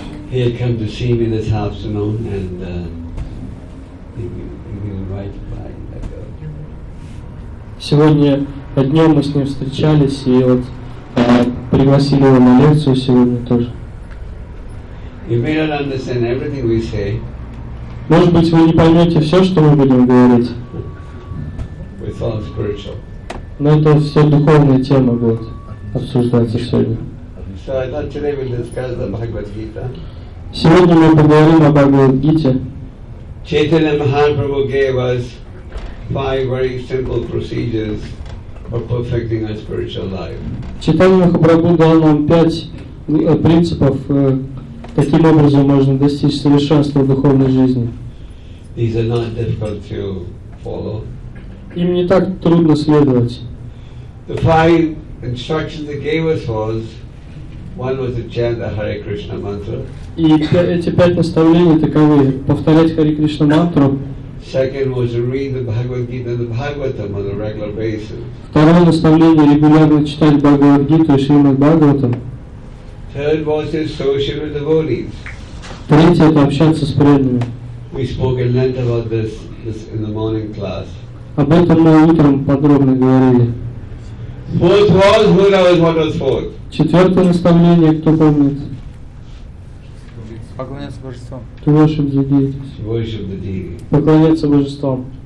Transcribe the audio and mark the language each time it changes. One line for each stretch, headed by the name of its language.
English: He had come to see me this afternoon, and he will write by.
Russian: Сегодня днем мы с ним встречались и вот пригласили его на лекцию сегодня тоже.
English: You may not understand everything we say.
Russian: Может быть, вы не поймете все, что мы будем говорить.
English: It's all spiritual.
Russian: Но это все духовная тема будет обсуждаться сегодня.
English: So I thought today we'll discuss the Bhagavad Gita.
Russian: Сегодня мы поговорим о Бхагавад Гите.
English: Chaitanya Mahaprabhu gave us five very simple procedures for perfecting our spiritual life.
Russian: Chaitanya Mahaprabhu дал нам пять принципов, каким образом можно достичь совершенства в духовной жизни.
English: These are not difficult to follow.
Russian: Им не так трудно следовать.
English: The five instructions they gave us was one was to chant the Hare Krishna mantra.
Russian: И эти пять наставлений таковы: повторять Хари Кришна мантру.
English: Second was to read the Bhagavad Gita and the Bhagavatam on a regular basis.
Russian: Второе наставление регулярно читать Бхагавад Гиту и Шримад Бхагаватам.
English: Third was to associate with devotees.
Russian: Третье это общаться с преданными.
English: We spoke at length about this in the morning class.
Russian: Об этом мы утром подробно говорили.
English: Fourth was, who knows what was fourth?
Russian: Четвертое наставление, кто помнит? Поклоняться божествам.
English: To worship the deity. Worship the deity.
Russian: Поклоняться божествам.